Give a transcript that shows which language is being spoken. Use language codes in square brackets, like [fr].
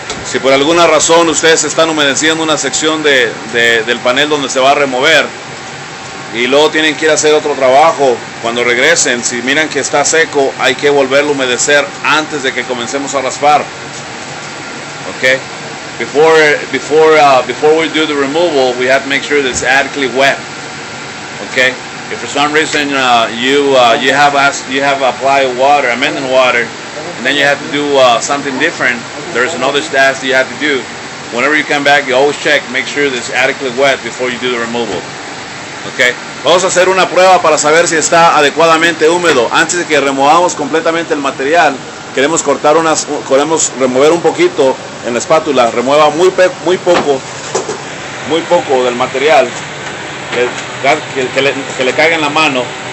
[es] Si por alguna razón ustedes están humedeciendo una sección del panel donde se va a remover, y luego tienen que ir a hacer otro trabajo, cuando regresen, si miran que está seco, hay que volverlo a humedecer antes de que comencemos a raspar. [en] Ok. Before we do the removal, we have to make sure that it's adequately wet. Ok. If for some reason you have applied water, amending water, and then you have to do something different, there's another task that you have to do. Whenever you come back, you always check, make sure that it's adequately wet before you do the removal. Okay. [es] Vamos a hacer una prueba para saber si está adecuadamente húmedo. Antes de que removamos completamente el material, queremos remover un poquito en la espátula. Remueva muy poco del material que le caiga en la mano.